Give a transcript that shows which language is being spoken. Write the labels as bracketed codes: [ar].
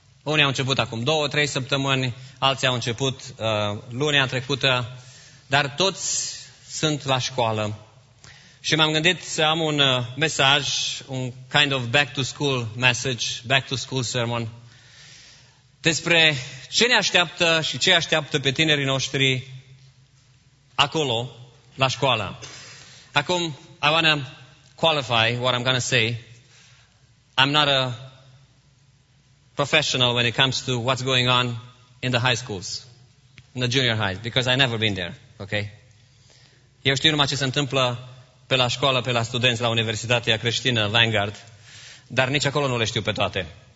[ro] Unii au început acum 2-3 săptămâni, alții au început lunea trecută, dar toți sunt la școală. Și m-am gândit să am un mesaj, un [en] kind of back to school message, back to school sermon, [ro] despre ce ne așteaptă și ce așteaptă pe tinerii noștri acolo, la școală. [en] Acum, I want to qualify what I'm going to say. I'm not a professional when it comes to what's going on in the high schools, in the junior highs, because I've never been there, okay? [ro] Eu știu numai ce se întâmplă pe la școală, pe la studenți, la Universitatea Creștină, Vanguard, dar nici acolo nu le știu pe toate.